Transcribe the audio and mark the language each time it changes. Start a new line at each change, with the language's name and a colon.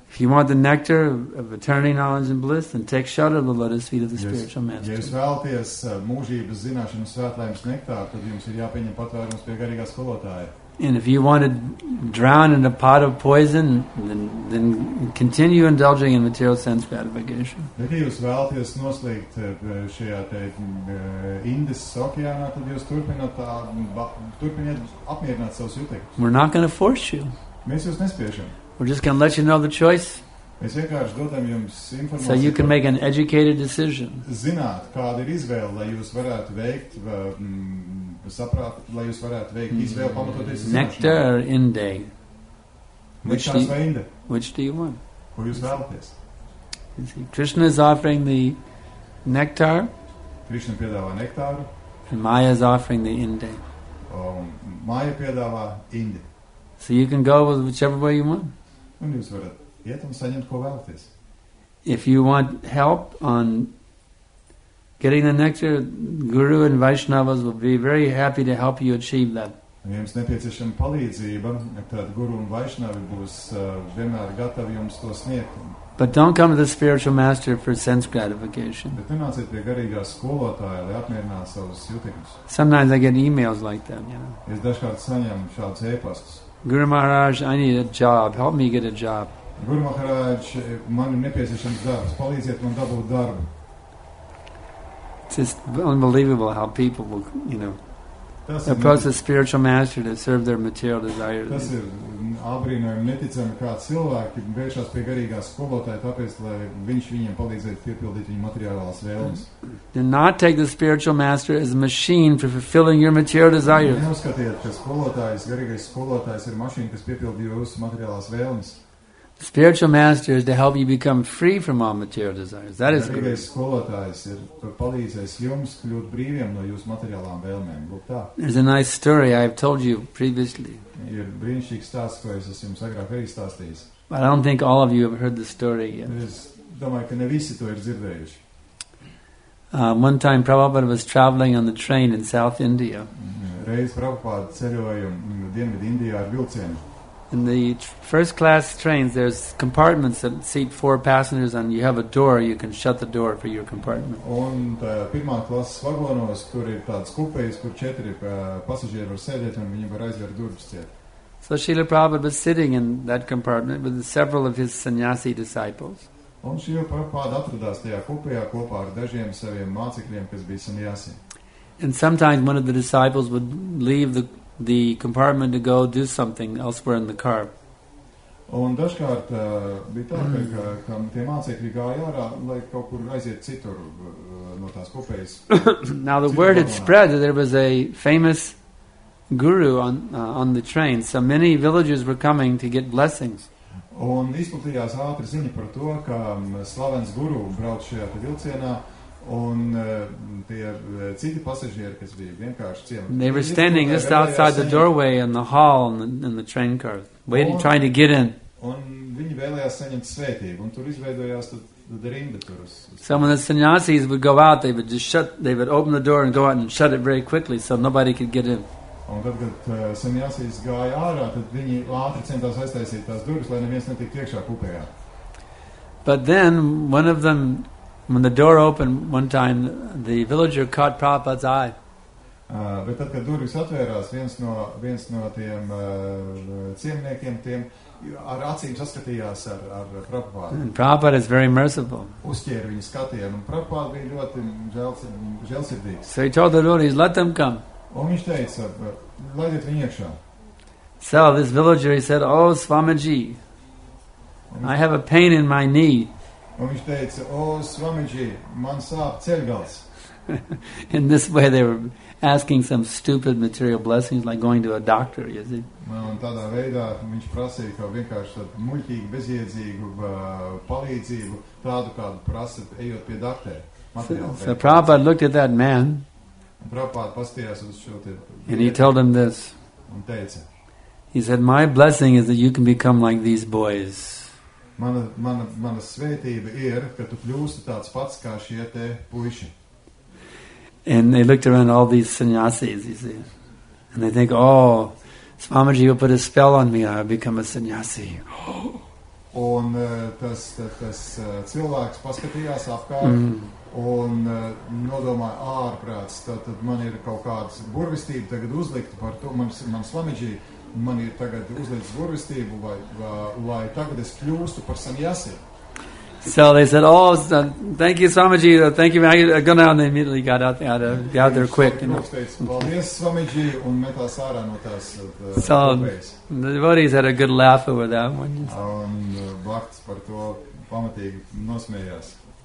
English: If you want the nectar of eternity knowledge and bliss, then take shelter of the lotus feet of the spiritual master.
Latvian: Ja jūs vēlaties mūžības zināšanu svētlaimes nektāru, tad jums ir jāpieņem patvērums pie garīgā skolotāja.
English: And if you want to drown in a pot of poison, then continue indulging in material sense gratification.
Latvian: Bet ja jūs vēlaties noslīgt šajā te Indes okeānā, tad jūs turpiniet apmierināt savus jūtekļus.
English: We're not going to force you.
Latvian: Mēs jūs nespiešam.
English: We're just going to let you know the choice.
Latvian: Mēs vienkārši dodam jums informāciju.
English: So you can make an educated decision.
Latvian: Zināt, kāda ir izvēle, lai jūs varētu veikt, saprāt, lai jūs varētu veikt izvēle pamatoties uz nektāru
English: or
Latvian: indē?
English: Which do you want?
Latvian: Ko jūs vēlaties?
English: Krishna is offering the nectar.
Latvian: Krishna piedāvā nektāru.
English: And Maya is offering the indē.
Latvian: Maya piedāvā indi.
English: So you can go with whichever way you want.
Latvian: Un jūs varat iet un saņemt, ko vēlaties.
English: If you want help on getting the nectar, Guru and Vaishnavas will be very happy to help you achieve that.
Latvian: Ja jums nepieciešama palīdzība, tad Guru un Vaishnavi būs vienmēr gatavi jums to sniegt.
English: But don't come to the spiritual master for sense gratification.
Latvian: Bet nenāciet pie garīgā skolotāja, lai apmierinātu savus jūtekļus.
English: Sometimes I get emails like that, you know.
Latvian: Es dažkārt saņemu šādus e-pastus.
English: Guru Maharaj, I need a job. Help me get a job.
Latvian: Guru Maharaj, man ir nepieciešams darbs. Palīdziet man dabūt darbu.
English: It's just unbelievable how people will, you know, approach the spiritual master to serve their material desires.
Latvian: Tas ir ābrīnojami neticami, kā cilvēki vēršas pie garīgā skolotāja, tāpēc, lai viņš viņiem palīdzētu piepildīt viņu materiālās vēlmes.
English: Do not take the spiritual master as a machine for fulfilling your material desires.
Latvian: Neuzskatiet, ka skolotājs, garīgais skolotājs ir mašīna, kas piepildi jūsu materiālās vēlmes.
English: The spiritual master is to help you become free from all material desires. That is
Latvian: garīgais skolotājs ir, kur palīdzēs jums kļūt brīviem no jūsu materiālām vēlmēm. Lūk tā.
English: There's a nice story I have told you previously.
Latvian: Ir brīnišķīgs stāsts, ko es jums agrāk arī stāstījis.
English: But I don't think all of you have heard the story yet.
Latvian: Es domāju, ka ne visi to ir dzirdējuši.
English: One time Prabhupada was traveling on the train in South India.
Latvian: reizi Prabhupāda ceļojumu Dienvidu Indijā ar vilcienu.
English: In the first class trains, there's compartments that seat four passengers, and you have a door. You can shut the door for your compartment.
Latvian: Un tajā pirmā klases vagonos, kur ir tāds kupejs, kur četri pasažieri var sēdēt, un viņi var aizvērt durvis ciet.
English: So Śrīla Prabhupāda was sitting in that compartment with several of his sannyasi disciples.
Latvian: Un Śrīla Prabhupāda atradās tajā kupejā kopā ar dažiem saviem mācekļiem, kas bija sannyasi.
English: And sometimes one of the disciples would leave the compartment to go do something elsewhere in the car.
Latvian: Un dažkārt bija tā, ka tie mācekļi gāja ārā, lai kaut kur aiziet citur no tās kupejas.
English: Now the word had spread that there was a famous guru on the train, so many villagers were coming to get blessings.
Latvian: Un izplatījās ātri ziņa par to, ka slavens guru brauc šajā vilcienā, un tie citi pasažieri, kas bija vienkārši ciemati.
English: They were standing just outside the doorway in the hall in the train car, waiting, trying to get in.
Latvian: Un viņi vēlējās saņemt svētību, un tur izveidojās tad rinda tur.
English: So when the sannyasis would go out, they would open the door and go out and shut it very quickly, so nobody could get in.
Latvian: Un tad, kad sannyasis gāja ārā, tad viņi ātri centās aiztaisīt tās durvis, lai neviens netiktu iekšā kupējā.
English: But then, one of them, when the door opened one time, the villager caught Prabhupada's eye.
Latvian: Bet tad, kad durvis atvērās, viens no tiem ciemniekiem, tiem ar acīm saskatījās ar Prabhupādu.
English: And Prabhupada is very merciful.
Latvian: Uzķēra viņu skatienu, un Prabhupāda bija ļoti žēlsirdīgs.
English: So he told the devotees, let them come.
Latvian: Un viņš teica, laidiet viņu iekšā.
English: So this villager, he said, oh, Swamiji, I have a pain in my knee.
Latvian: Un viņš teica, oh, Swamiji, man sāp ceļgals.
English: In this way, they were asking some stupid material blessings, like going to a doctor, you see.
Latvian: Un tādā veidā viņš prasīja, ka vienkārši muļķīgu, bezjēdzīgu palīdzību, tādu kādu prasa, ejot pie doktora.
English: So Prabhupada looked at that man. And he told him this. He said, my blessing is that you can become like these boys.
Latvian: Mana svētība ir, ka tu kļūsti tāds pats kā šie te puiši.
English: And they looked around all these sannyasis, you see. And they think, oh, Swamiji will put a spell on me, I'll become a sannyasi.
Latvian: Un tas cilvēks paskatījās apkārt. Mm. Un nodomāja ārprāts, tad man ir kaut kādas burvistība tagad uzlikta par to, man Swamiji, man ir tagad uzlikts burvistību, lai tagad es kļūstu par sannyasi.
English: So they said, oh, thank you, Swamiji, thank you, I go now, and they immediately got out there quick.
Latvian: Paldies, Swamiji, un metās ārā no tās.
English: So the devotees had a good laugh over that one.
Latvian: Un bhakts par to pamatīgi nosmējās.